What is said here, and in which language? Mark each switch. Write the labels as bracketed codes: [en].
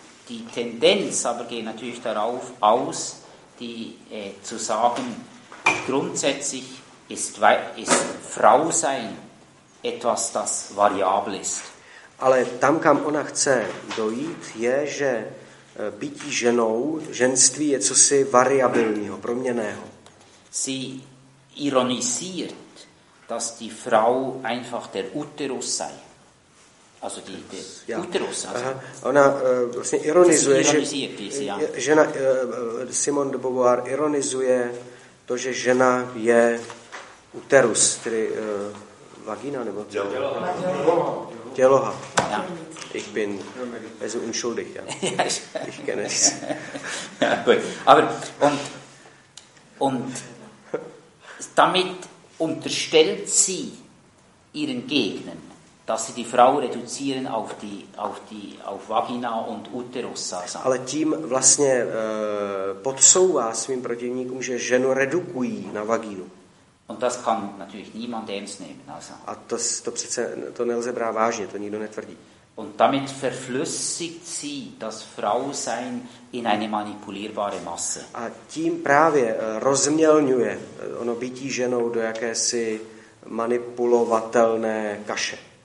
[de] die Tendenz aber geht natürlich darauf aus, die zu sagen, grundsätzlich ist Frau sein etwas, das variabel ist. [cs] Ale tam, kam ona chce dojít, je, že bytí ženou, ženství je cosi variabilního, proměnného. [de] Sie ironisiert, dass die Frau einfach der Uterus sei. Also die, die ja. Uterus. Also. [cs] Ona vlastně ironizuje, žena Simone de Beauvoir ironizuje to, že žena je uterus, tedy vagina nebo těloha. [de] Ja. Ich bin also unschuldig, ja. Ich kenne es. Ja, gut. Aber und damit unterstellt sie ihren Gegnern, dass sie die Frau reduzieren auf Vagina und Uterus. Also. [cs] Ale tím vlastně podsouvá svým protivníkům, že ženu redukují na vagínu. [de] Und das kann natürlich niemand ernst nehmen. Also. [cs] A to přece to nelze brát vážně, to nikdo netvrdí. [de] Und damit verflüssigt sie das Frausein in eine manipulierbare Masse. [cs] A tím právě rozmělňuje ono bytí ženou do jakési manipulovatelné kaše.